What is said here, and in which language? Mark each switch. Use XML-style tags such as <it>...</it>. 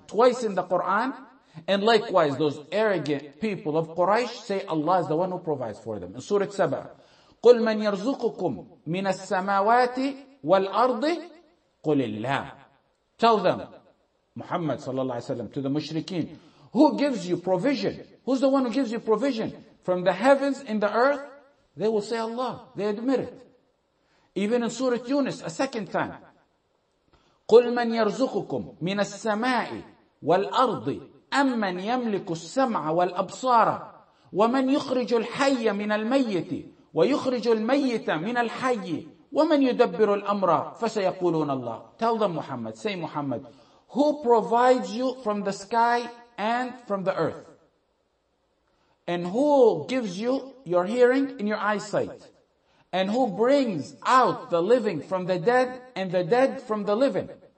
<en>Twice in the Quran. And likewise, those arrogant people of Quraysh say Allah is the one who provides for them. In Surah Sabah,</en> <ar>قُلْ مَن يَرْزُقُكُمْ مِنَ السَّمَاوَاتِ وَالْأَرْضِ قُلِ اللَّهِ.</ar> <en>Tell them, Muhammad صلى الله عليه وسلم, to the mushrikeen, who gives you provision? Who's the one who gives you provision? From the heavens and the earth? They will say Allah. They admit it. Even in Surah Yunus, a second time,</en> <ar>قُلْ مَن يَرْزُقُكُمْ مِنَ السَّمَاءِ وَالْأَرْضِ أَمَّنْ يَمْلِكُ السَّمْعَ وَالْأَبْصَارَ وَمَنْ يُخْرِجُ الْحَيَّ مِنَ الْمَيِّتِ وَيُخْرِجُ الْمَيِّتَ مِنَ الْحَيِّ وَمَنْ يُدَبِّرُ الْأَمْرَ فَسَيَقُولُونَ اللَّهُ.</ar> <en>Tell them, Muhammad, say Muhammad, who provides you from the sky and from the earth? And who gives you your hearing and your eyesight? And who brings out the living from the dead and the dead from the living?</en>